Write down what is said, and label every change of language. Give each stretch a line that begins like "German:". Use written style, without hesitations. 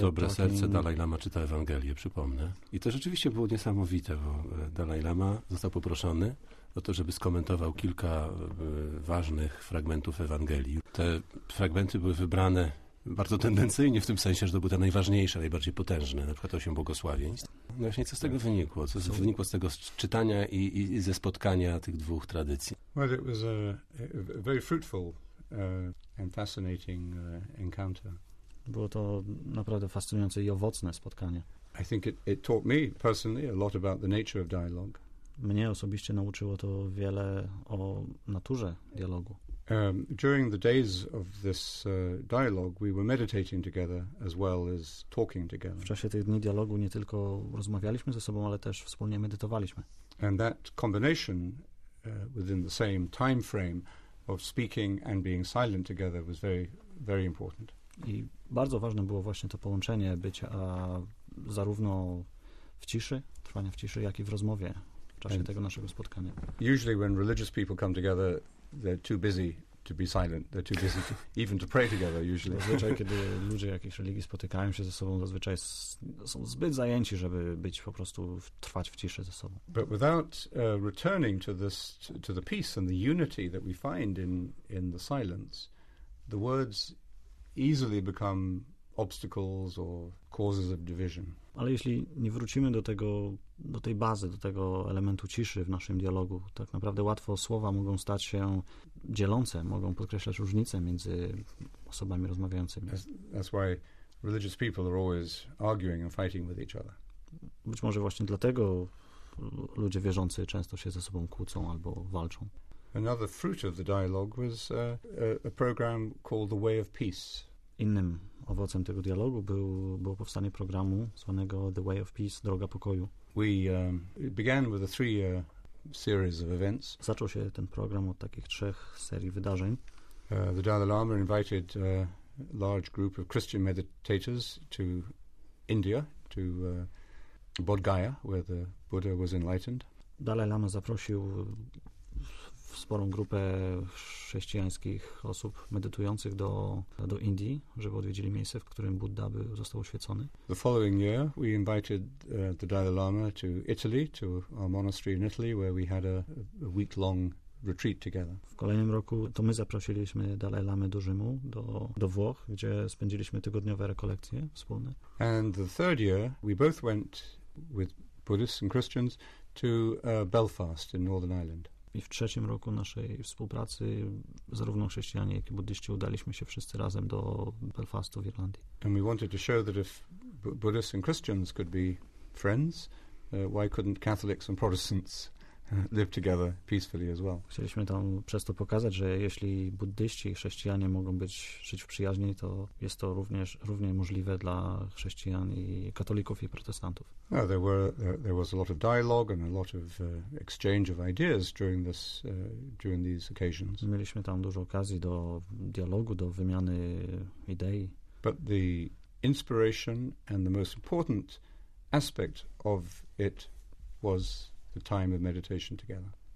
Polish: Dobre serce Dalai Lama czyta Ewangelię, przypomnę. I to rzeczywiście było niesamowite, bo Dalai Lama został poproszony o to, żeby skomentował kilka ważnych fragmentów Ewangelii. Te fragmenty były wybrane bardzo tendencyjnie, w tym sensie, że to były te najważniejsze, najbardziej potężne, na przykład 8 błogosławieństw. No właśnie, co z tego wynikło? Co wynikło z tego czytania i ze spotkania tych dwóch tradycji?
English: Well, it was a very fruitful and fascinating encounter.
Polish: Było to naprawdę fascynujące i owocne spotkanie.
English: I think it taught me personally a lot about the nature of dialogue.
Polish: Mnie osobiście nauczyło to wiele o naturze dialogu.
English: During the days of this dialogue, we were meditating together as well as talking together.
Polish: W czasie tych dni dialogu nie tylko rozmawialiśmy ze sobą, ale też wspólnie medytowaliśmy.
English: And that combination within the same time frame of speaking and being silent together was very, very important.
Polish: I bardzo ważne było właśnie to połączenie bycia zarówno w ciszy, trwania w ciszy, jak i w rozmowie. W czasie tego naszego spotkania.
English: Usually when religious people come together, they're too busy to be silent. They're too busy even to pray together usually.
Polish: Zazwyczaj, kiedy ludzie jakiejś religii spotykają się ze sobą, zazwyczaj są zbyt zajęci, żeby być po prostu trwać w ciszy ze sobą.
English: But without returning to this to the peace and the unity that we find in the silence, the words easily become obstacles or causes of division.
Polish: Ale jeśli nie wrócimy do tego, do tej bazy, do tego elementu ciszy w naszym dialogu, tak naprawdę łatwo słowa mogą stać się dzielące, mogą podkreślać różnice między osobami rozmawiającymi.
English: That's why religious people are always arguing and fighting with each other.
Polish: Być może właśnie dlatego ludzie wierzący często się ze sobą kłócą albo walczą.
English: Another fruit of the dialogue was a program called The Way of Peace.
Polish: Innym owocem tego dialogu było powstanie programu zwanego The Way of Peace, Droga Pokoju.
English: We began with a 3-year series of events.
Polish: Zaczął się ten program od takich trzech serii wydarzeń.
English: The Dalai Lama invited a large group of Christian meditators to India, to Bodh Gaya, where the Buddha was enlightened.
Polish: Dalai Lama zaprosił sporą grupę chrześcijańskich osób medytujących do Indii, żeby odwiedzili miejsce, w którym Budda został oświecony.
English: The following year we invited the Dalai Lama to Italy, to our monastery in Italy, where we had a week-long retreat together.
Polish: W kolejnym roku to my zaprosiliśmy Dalai Lamę do Rzymu, do Włoch, gdzie spędziliśmy tygodniowe rekolekcje wspólne.
English: And the third year we both went with Buddhists and Christians to Belfast in Northern Ireland.
Polish: I w trzecim roku naszej współpracy zarówno chrześcijanie, jak i buddyści udaliśmy się wszyscy razem do Belfastu w Irlandii.
English: And we wanted to show that if Buddhists and Christians could be friends, why couldn't Catholics and Protestants live together peacefully as well?
Polish: Chcieliśmy tam przez to pokazać, że jeśli buddyści i chrześcijanie mogą żyć w przyjaźni, to jest to równie możliwe dla chrześcijan i katolików i protestantów.
English: No, there was a lot of dialogue and a lot of exchange of ideas during these occasions.
Polish: Mieliśmy tam dużo okazji do dialogu, do wymiany idei.
English: But the inspiration and the most important aspect of it was the time of meditation together.